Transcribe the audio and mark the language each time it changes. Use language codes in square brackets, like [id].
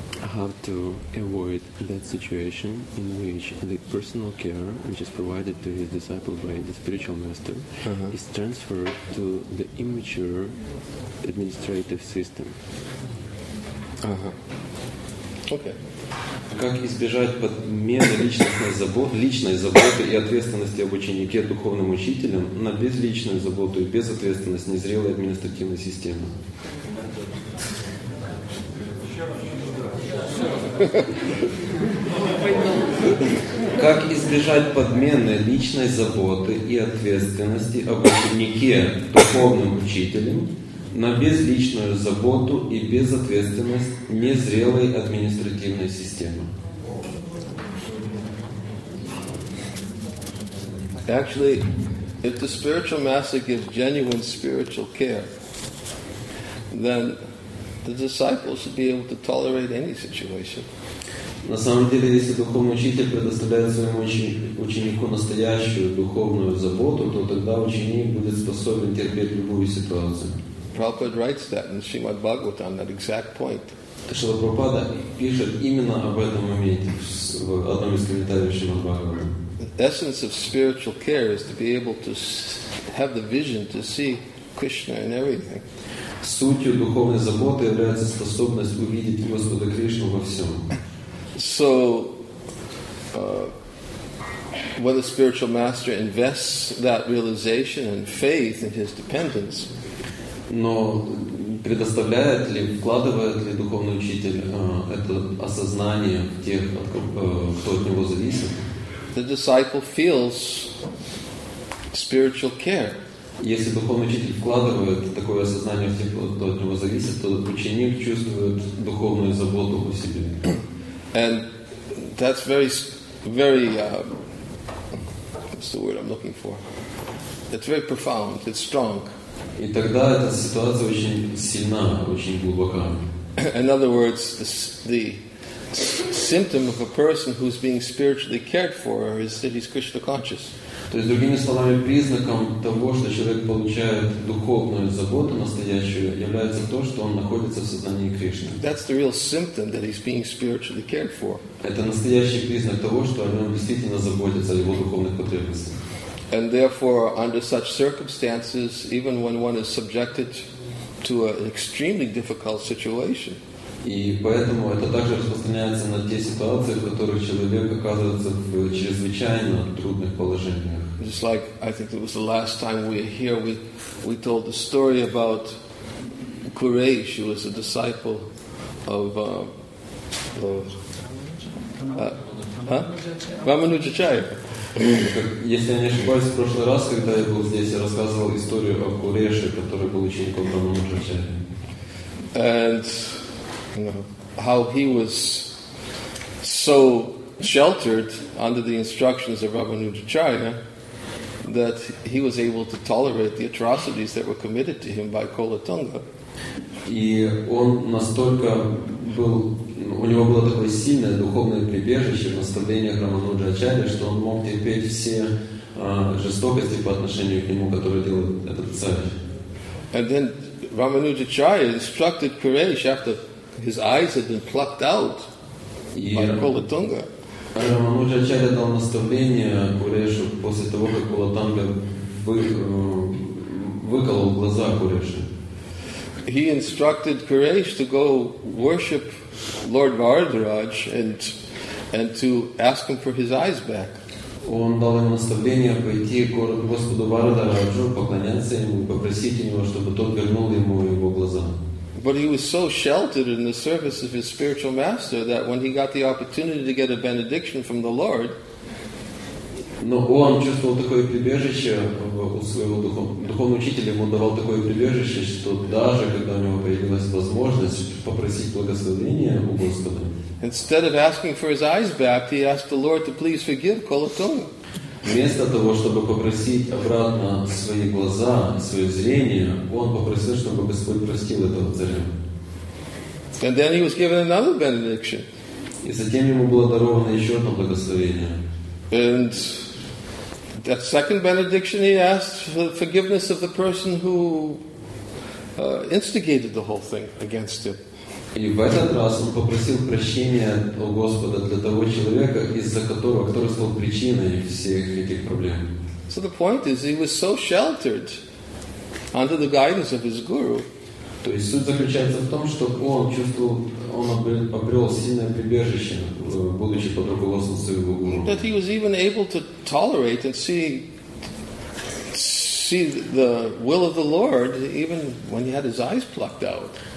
[en] How to avoid that situation in which the personal care, which is provided to his disciple by the spiritual master, is transferred to the immature administrative system. [ru] Как избежать подмены личной заботы и ответственности об ученике духовным учителем на безличную заботу и безответственность незрелой административной системы? Как избежать подмены личной заботы и ответственности об ученике духовным учителем на безличную заботу и безответственность незрелой административной системы? [en] Actually, if the spiritual master gives genuine spiritual care, then the disciples should be able to tolerate any situation. [ru] На самом деле, если духовный учитель предоставляет своему ученику настоящую духовную заботу, то тогда ученик будет способен терпеть любую ситуацию. [en] Prabhupada writes that in Srimad Bhagavatam, that exact point. [ru] Шрила Прабхупада пишет именно об этом моменте в одном из комментариев Шримад Бхагаватам. [en] The essence of spiritual care is to be able to have the vision to see Krishna in everything. [ru] Суть духовной заботы является способность увидеть Господа Кришну во всем. [en] So, when the spiritual master invests that realization and faith in his dependents, [ru] но предоставляет ли, вкладывает ли духовный учитель это осознание в тех, кто от него зависит? [en] The disciple feels spiritual care. [ru] Если духовный учитель вкладывает такое осознание в тех, кто от него зависит, то ученик чувствует духовную заботу о себе. [en] And that's very, very, what's the word I'm looking for? It's very profound, it's strong. [ru] И тогда эта ситуация очень сильна, очень глубока. [en] In other words, the symptom of a person who's being spiritually cared for is that he's Krishna conscious. [ru] То есть, другими словами, признаком того, что человек получает духовную заботу настоящую, является то, что он находится в сознании Кришны. [en] That's the real symptom that he's being spiritually cared for. [ru] Это настоящий признак того, что о нем действительно заботятся, о его духовных потребностях. [en] And therefore, under such circumstances, even when one is subjected to an extremely difficult situation, [ru] и поэтому это также распространяется на те ситуации, в которых человек оказывается в чрезвычайно трудных положениях. [en] Just like I think it was the last time we were here, we told the story about Kuresh, who was a disciple of Ramanujacharya. [ru] Если я не ошибаюсь, в прошлый раз, когда я был здесь, я рассказывал историю о Куреше, который был учеником Рамануджачарьи. [en] And how he was so sheltered under the instructions of Ramanujacharya that he was able to tolerate the atrocities that were committed to him by Kolatunga. [ru] И он настолько был, у него было такое сильное духовное прибежище в наставлениях Рамануджачарьи, что он мог терпеть все жестокости по отношению к нему, которые делал этот царь. [en] And then Ramanujacharya instructed Kuresh after his eyes had been plucked out by Kolatunga. [ru] Рамануджачарья дал наставление Курешу после того, как Кулатанга выколол глаза Курешу. [en] He instructed Kuresh to go worship Lord Varadaraj and to ask him for his eyes back. [ru] Он дал ему наставление пойти к Господу Варадараджу, поклоняться ему, попросить у него, чтобы тот вернул ему его глаза. [en] But he was so sheltered in the service of his spiritual master that when he got the opportunity to get a benediction from the Lord, [ru] но он чувствовал такое прибежище у своего духовного учителя, ему давал такое прибежище, что даже когда у него появилась возможность попросить благословения у Господа, [en] instead of asking for his eyes back, he asked the Lord to please forgive Kolatunga. [ru] Вместо того, чтобы попросить обратно свои глаза, свое зрение, он попросил, чтобы Господь простил этого царя. [en] And then he was given another benediction. [ru] И затем ему было даровано еще одно благословение. [en] And that second benediction, he asked for the forgiveness of the person who instigated the whole thing against him. [ru] И в этот раз он попросил прощения у Господа для того человека, из-за которого, который стал причиной всех этих проблем. [en] So the point is, he was so sheltered under the guidance of his guru. [ru] То есть суть заключается в том, что он чувствовал, он обрел сильное прибежище, будучи под руководством своего гуру. [en] That he was even able to tolerate and see the will of the Lord even when he had his eyes plucked out.